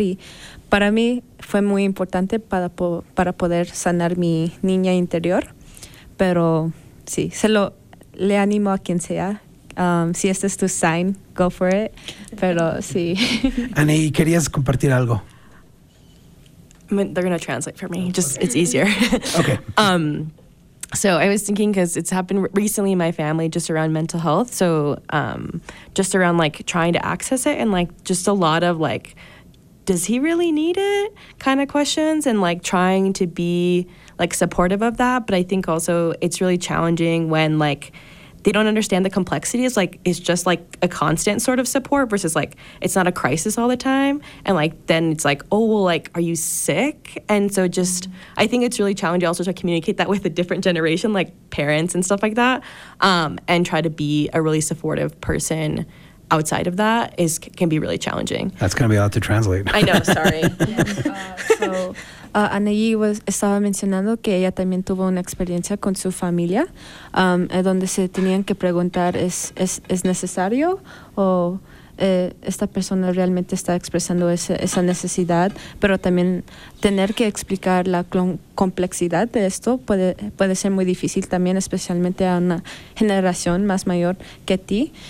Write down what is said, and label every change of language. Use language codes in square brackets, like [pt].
[es] Y para mí fue muy importante para poder sanar mi niña interior, pero sí, le animo a quien sea. Si este es tu sign, [en] go for it, [es] pero sí. Ani, ¿querías compartir algo? [en] They're going to translate for me, it's easier. Okay. So I was thinking, because it's happened recently in my family, just around mental health, so just around like trying to access it, and like just a lot of like, does he really need it kind of questions, and like trying to be like supportive of that. But I think also it's really challenging when like they don't understand the complexity. It's like it's just like a constant sort of support versus like it's not a crisis all the time. And like then it's like, oh, well, like, are you sick? And so just I think it's really challenging also to communicate that with a different generation, like parents and stuff like that, and try to be a really supportive person outside of that can be really challenging. That's going to be a lot to translate. I know, sorry. [es] Yeah, Anayi estaba mencionando que ella también tuvo una experiencia con su familia, donde se tenían que preguntar, ¿es necesario? O esta persona realmente está expresando esa necesidad, pero también tener que explicar la complejidad de esto puede ser muy difícil también, especialmente a una generación más mayor que ti.